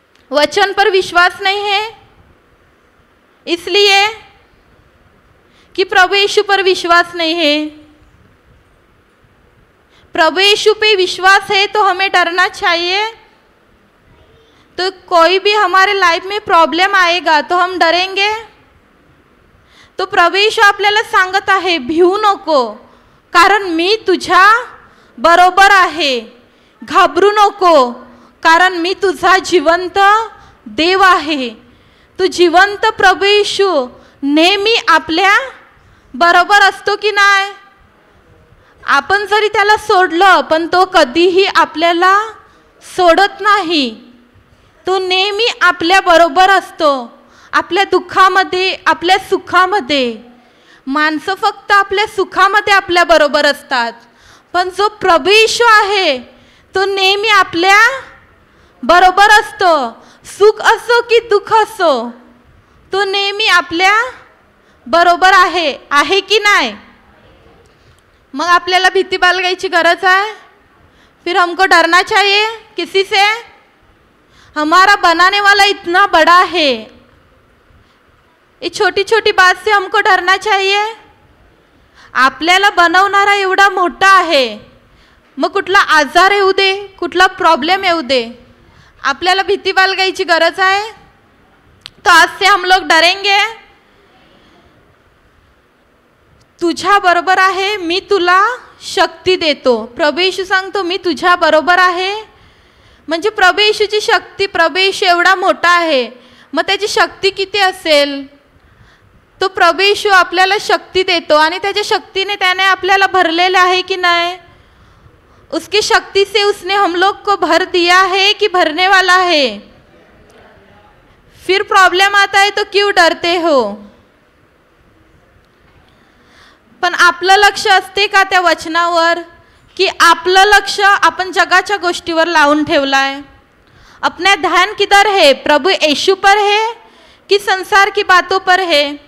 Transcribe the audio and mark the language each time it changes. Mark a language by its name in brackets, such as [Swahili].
[Hindi] वचन पर विश्वास नहीं है इसलिए कि प्रभु यीशु पर विश्वास नहीं है? प्रभु यीशु पे विश्वास है तो हमें डरना चाहिए? तो कोई भी हमारे लाइफ में प्रॉब्लम आएगा तो हम डरेंगे? [Marathi] तो प्रभु यीशु आपल्याला सांगत आहे भिऊ नको, कारण मी तुझ्या बरोबर आहे। घाबरू नको, कारण मी तुझा जिवंत देव आहे। तो जिवंत प्रभु यीशु नेहमी आपल्या बरोबर असतो की नाही? आपण जरी त्याला सोडलं पण तो कधीही आपल्याला सोडत नाही। तो नेहमी आपल्या बरोबर असतो, आपल्या दुःखामध्ये, आपल्या सुखामध्ये। माणसं फक्त आपल्या सुखामध्ये आपल्या बरोबर असतात, पण जो प्रभू यीशू आहे तो नेहमी आपल्या बरोबर असतो। सुख असो की दुःख असो तो नेहमी आपल्या बरोबर आहे, आहे की नाही? मग आपल्याला भीती बाळगायची गरज आहे? [Hindi] फिर हमको डरना चाहिए किसी से? हमारा बनाने वाला इतना बड़ा है, ये छोटी छोटी बात से हमको डरना चाहिए? [Marathi] आपल्याला बनवणारा एवढा मोठा आहे, मग कुठला आजार येऊ दे, कुठला प्रॉब्लेम येऊ दे, आपल्याला भीती बाळगायची गरज आहे? [Hindi] तो आज से हम लोग डरेंगे? [Marathi] तुझ्या बरोबर आहे, मी तुला शक्ती देतो। प्रभू यीशू सांगतो मी तुझ्या बरोबर आहे, म्हणजे प्रभू यीशूची शक्ती। प्रभू यीशू एवढा मोठा आहे, मग त्याची शक्ती किती असेल? तो प्रभू यीशू आपल्याला शक्ती देतो, आणि त्याच्या शक्तीने त्याने आपल्याला भरलेले आहे की नाही? [Hindi] उसकी शक्ती से उसने हम लोग को भर दिया है कि भरने वाला आहे? फिर प्रॉब्लेम आता है तो क्यों डरते हो? [Marathi] पण आपलं लक्ष असते का त्या वचनावर, की आपलं लक्ष आपण जगाच्या गोष्टीवर लावून ठेवलाय. [Hindi] अपने ध्यान किधर है, प्रभु येशू पर है कि संसार की बातों पर है?